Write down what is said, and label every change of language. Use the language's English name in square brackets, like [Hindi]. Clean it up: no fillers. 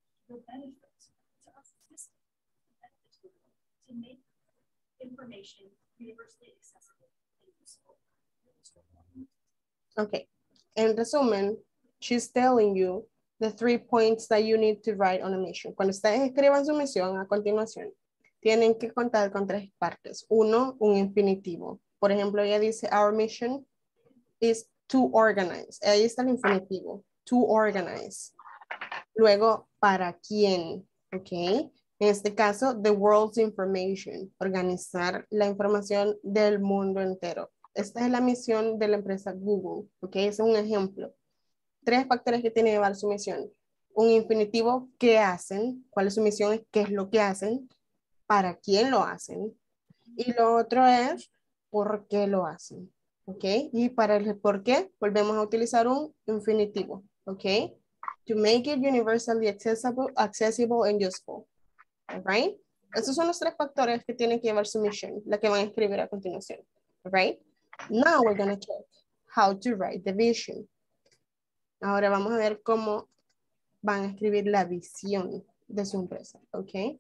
[English] the benefits to us system to make information universally accessible and useful. Okay, in resumen, she's telling you the three points that you need to write on a mission. [Spanish] Cuando ustedes escriban su misión a continuación, tienen que contar con tres partes. Uno, un infinitivo. Por ejemplo, ella dice, [English] our mission is to organize. [Spanish] Ahí está el infinitivo, [English] to organize. [Spanish] Luego, ¿para quién? Okay. En este caso, [English] the world's information, [Spanish] organizar la información del mundo entero. Esta es la misión de la empresa Google, okay. Es un ejemplo. Tres factores que tiene que llevar su misión. Un infinitivo, ¿qué hacen? ¿Cuál es su misión? ¿Qué es lo que hacen? ¿Para quién lo hacen? Y lo otro es, ¿por qué lo hacen? ¿Ok? Y para el por qué, volvemos a utilizar un infinitivo. ¿Ok? [English] To make it universally accessible and useful. ¿Alright? [Spanish] Esos son los tres factores que tienen que llevar su misión, la que van a escribir a continuación. [English] ¿Alright? Now we're going to check how to write the vision. [Spanish] Ahora vamos a ver cómo van a escribir la visión de su empresa, ¿ok?